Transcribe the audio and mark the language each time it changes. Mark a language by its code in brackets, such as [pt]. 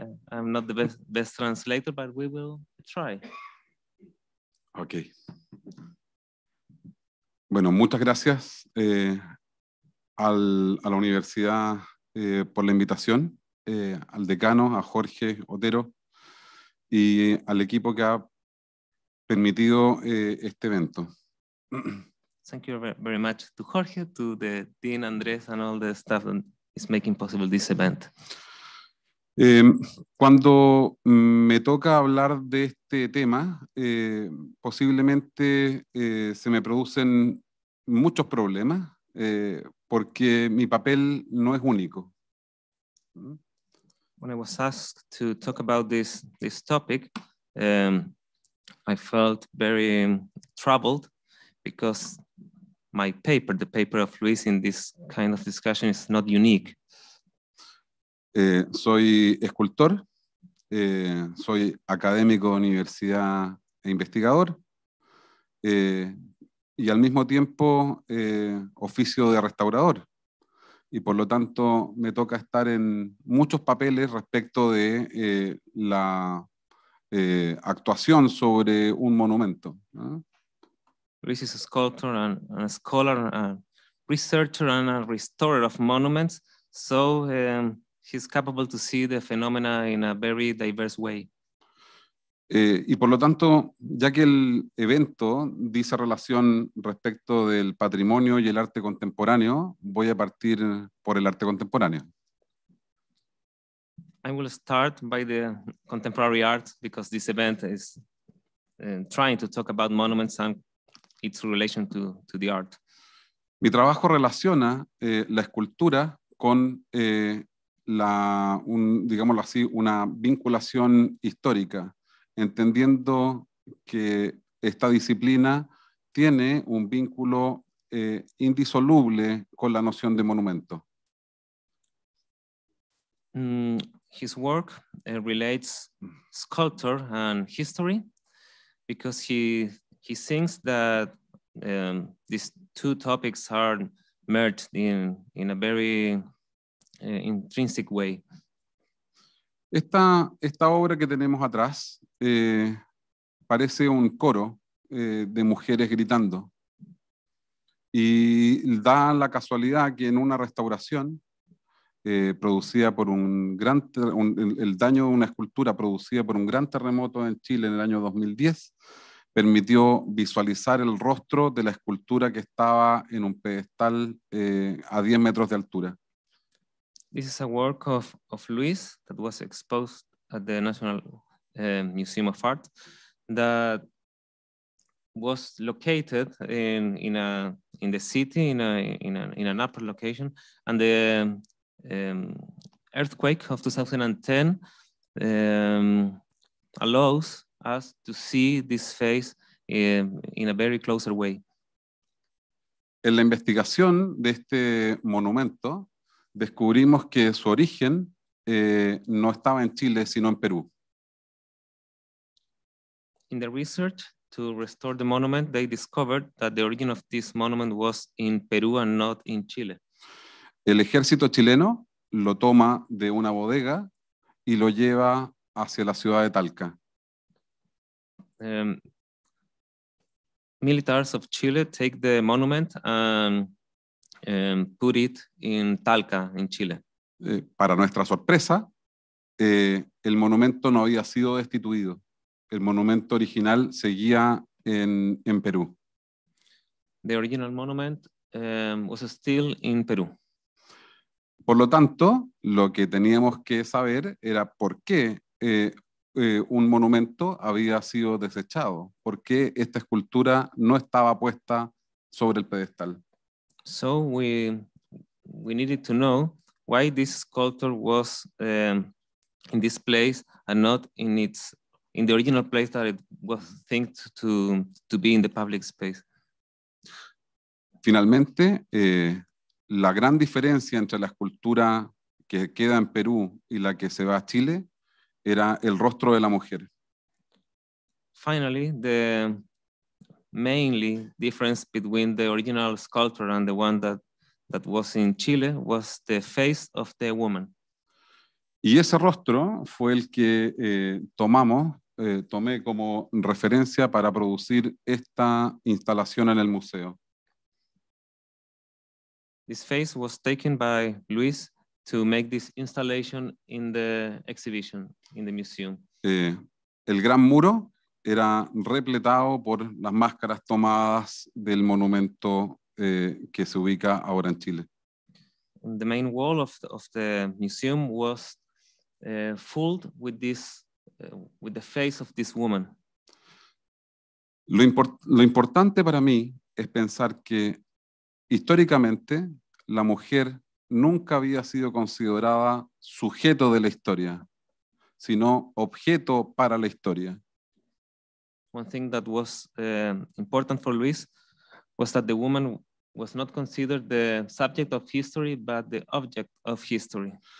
[en] I'm not the best translator, but we will try. Okay. [es] Bueno, muchas gracias a la universidad por la invitación. al decano, a Jorge Otero, y al equipo que ha permitido este evento. [en] Thank you very much to Jorge, to the Dean Andrés, and all the staff that is making possible this event. [es] Cuando me toca hablar de este tema, posiblemente se me producen muchos problemas, porque mi papel no es único. [en] When I was asked to talk about this topic, I felt very troubled because my paper, the paper of Luis in this kind of discussion, is not unique. [es] Soy escultor, soy académico de universidad e investigador, y al mismo tiempo oficio de restaurador. Y por lo tanto me toca estar en muchos papeles respecto de la actuación sobre un monumento, ¿no? [en] Luis is a sculptor and a scholar, a researcher and a restorer of monuments. So he's capable to see the phenomena in a very diverse way. [es] Y por lo tanto, ya que el evento dice relación respecto del patrimonio y el arte contemporáneo, voy a partir por el arte contemporáneo. [en] I will start by the contemporary art because this event is trying to talk about monuments and its relation to the art. [es] Mi trabajo relaciona la escultura con digámoslo así, una vinculación histórica, entendiendo que esta disciplina tiene un vínculo indisoluble con la noción de monumento. [en] His work relates sculpture and history because he thinks that these two topics are merged in a very intrinsic way. [es] Esta obra que tenemos atrás parece un coro de mujeres gritando. Y da la casualidad que en una restauración producida por el daño de una escultura producida por un gran terremoto en Chile en el año 2010, permitió visualizar el rostro de la escultura que estaba en un pedestal a 10 metros de altura. [en] This is a work of Luis that was exposed at the National Museum of Art that was located in the city in an upper location, and the earthquake of 2010 allows us to see this face in a very closer way. [es] En la investigación de este monumento descubrimos que su origen no estaba en Chile, sino en Perú. [en] In the research to restore the monument, they discovered that the origin of this monument was in Peru and not in Chile. [es] El ejército chileno lo toma de una bodega y lo lleva hacia la ciudad de Talca. [en] Militars of Chile take the monument and put it in Talca, in Chile. [es] Para nuestra sorpresa, el monumento no había sido destituido. El monumento original seguía en Perú. [en] The original monument was still in Perú. [es] Por lo tanto, lo que teníamos que saber era por qué un monumento había sido desechado, por qué esta escultura no estaba puesta sobre el pedestal. [en] So we needed to know why this sculpture was in this place and not in the original place that it was thought to be in the public space. [es] Finalmente, la gran diferencia entre la escultura que queda en Perú y la que se va a Chile era el rostro de la mujer. [en] Finally, the mainly difference between the original sculpture and the one that was in Chile was the face of the woman. [es] Y ese rostro fue el que tomé como referencia para producir esta instalación en el museo. [en] This face was taken by Luis to make this installation in the exhibition, in the museum. [es] El gran muro era repletado por las máscaras tomadas del monumento que se ubica ahora en Chile. [en] The main wall of the museum was filled with this with the face of this woman. [es] Lo importante para mí es pensar que históricamente la mujer nunca había sido considerada sujeto de la historia, sino objeto para la historia. [en] One thing that was important for Luis was that the woman was not considered the subject of history, but the object of history.